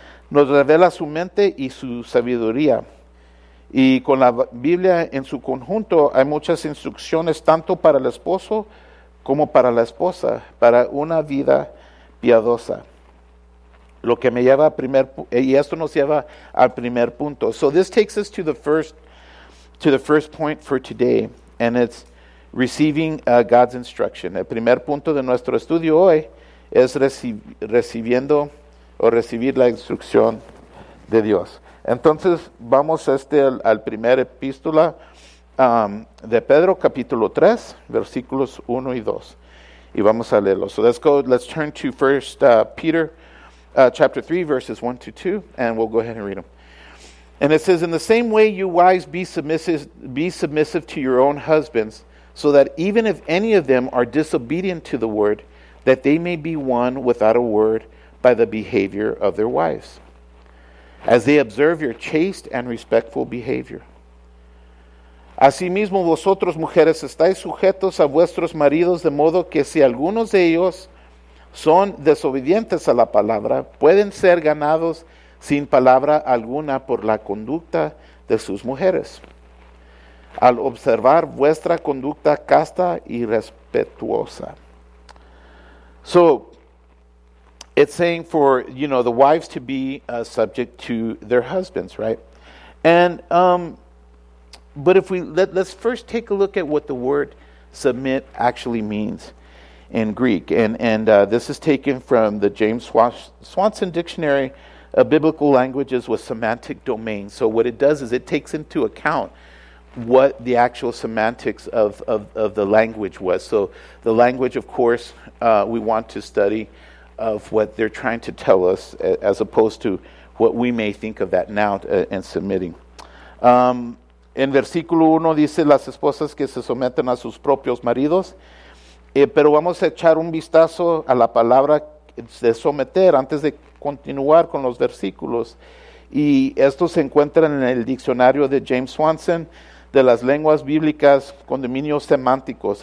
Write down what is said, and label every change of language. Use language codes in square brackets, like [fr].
[es] Nos revela su mente y su sabiduría. Y con la Biblia en su conjunto hay muchas instrucciones tanto para el esposo como para la esposa, para una vida piadosa. Lo que me lleva al primer, y esto nos lleva al primer punto. [en] So this takes us to the first point for today, and it's receiving God's instruction. [es] El primer punto de nuestro estudio hoy es recibir la instrucción de Dios. Entonces vamos al primer epístola de Pedro, capítulo 3, versículos 1 y 2, y vamos a leerlo. [en] So let's turn to first Peter. Chapter 3, verses 1 to 2, and we'll go ahead and read them. And it says, in the same way, you wives, be submissive to your own husbands, so that even if any of them are disobedient to the word, that they may be won without a word by the behavior of their wives, as they observe your chaste and respectful behavior. [es] Asimismo, vosotros, mujeres, estáis sujetos a vuestros maridos, de modo que si algunos de ellos son desobedientes a la palabra, pueden ser ganados sin palabra alguna por la conducta de sus mujeres. al observar vuestra conducta casta y respetuosa. [en] So, it's saying for, you know, the wives to be subject to their husbands, right? And, but if we, let's first take a look at what the word submit actually means in Greek. And this is taken from the James Swanson Dictionary of Biblical Languages with Semantic Domain. So what it does is it takes into account what the actual semantics of the language was. So the language, of course, we want to study of what they're trying to tell us as opposed to what we may think of that now and submitting. [es] En versículo 1 dice las esposas que se someten a sus propios maridos. Pero vamos a echar un vistazo a la palabra de someter antes de continuar con los versículos. Y esto se encuentra en el diccionario de James Swanson de las lenguas bíblicas con dominios semánticos.